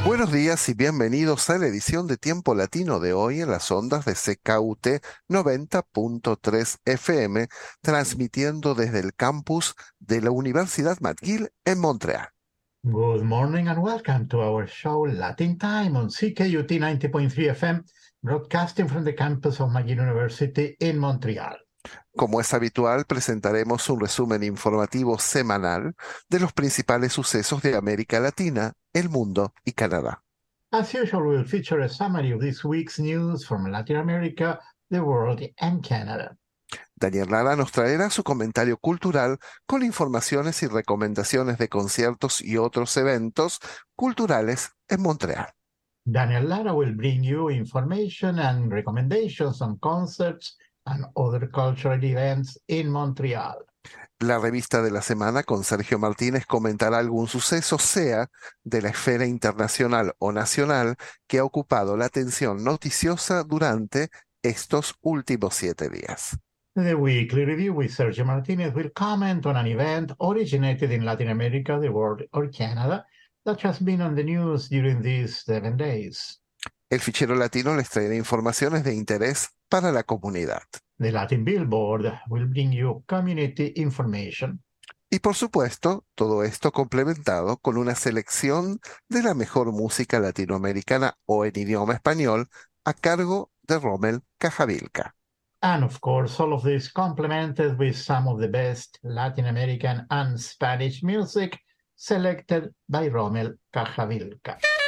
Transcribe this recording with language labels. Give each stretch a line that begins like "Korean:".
Spanish: días y bienvenidos a la edición de Tiempo Latino de hoy en las ondas de CKUT 90.3 FM, transmitiendo desde el campus de la Universidad McGill en Montreal.
English: Good morning and welcome to our show Latin Time on CKUT 90.3 FM, broadcasting from the campus of McGill University in Montreal.
Spanish: Como es habitual, presentaremos un resumen informativo semanal de los principales sucesos de América Latina, el mundo y Canadá.
English: As usual, we'll feature a summary of this week's news from Latin America, the world, and Canada.
Spanish: Daniel Lara nos traerá su comentario cultural con informaciones y recomendaciones de conciertos y otros eventos culturales en Montreal.
English: Daniel Lara will bring you information and recommendations on concerts and other cultural events in Montreal.
Spanish: La revista de la semana con Sergio Martínez comentará algún suceso, sea de la esfera internacional o nacional, que ha ocupado la atención noticiosa durante estos últimos 7 días.
English: The weekly review with Sergio Martínez will comment on an event originated in Latin America, the world, or Canada that has been on the news during these 7 days.
Spanish: El fichero latino les traerá informaciones de interés para la comunidad.
English: The Latin Billboard will bring you community information.
Spanish: Y por supuesto, todo esto complementado con una selección de la mejor música latinoamericana o en idioma español a cargo de Rommel Cajavilca.
English: And of course, all of this complemented with some of the best Latin American and Spanish music selected by Rommel Cajavilca.